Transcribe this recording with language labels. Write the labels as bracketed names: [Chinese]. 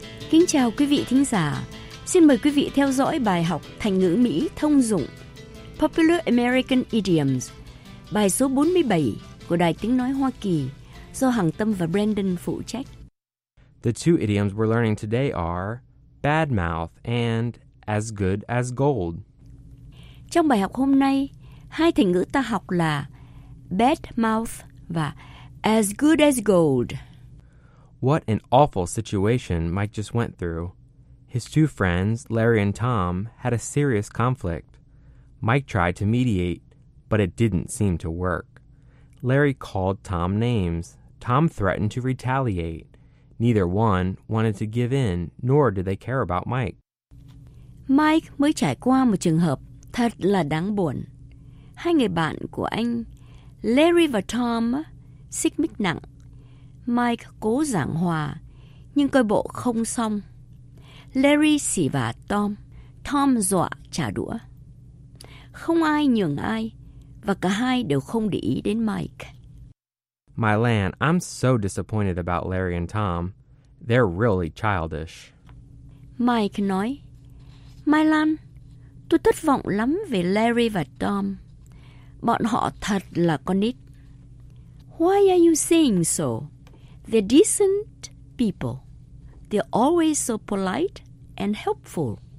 [Vietnamese] Kính chào quý vị thính giả. Xin mời quý vị theo dõi bài học thành ngữ Mỹ thông dụng [English] Popular American Idioms, [Vietnamese] bài số 47 của Đài Tiếng Nói Hoa Kỳ do Hằng Tâm và Brandon phụ trách. [English] The two idioms we're learning today are bad mouth and as good as gold. [Vietnamese] Trong bài học hôm nay, hai thành ngữ ta học là bad mouth và [English] as good as gold. What an awful situation Mike just went through. His two friends, Larry and Tom, had a serious conflict. Mike tried to mediate, but it didn't seem to work. Larry called Tom names. Tom threatened to retaliate. Neither one wanted to give in, nor did they care about Mike. [Vietnamese] Mike mới trải qua một trường hợp thật là đáng buồn. Hai người bạn của anh, Larry và Tom, xích mích nặng. Mike cố giảng hòa, nhưng coi bộ không xong. Larry xì vả Tom, Tom dọa trả đũa. Không ai nhường ai, và cả hai đều không để ý đến Mike. [English] My land, I'm so disappointed about Larry and Tom. They're really childish. [Vietnamese] Mike nói, My land, tôi thất vọng lắm về Larry và Tom. Bọn họ thật là con nít. [English] Why are you saying so? They're decent people. They're always so polite and helpful.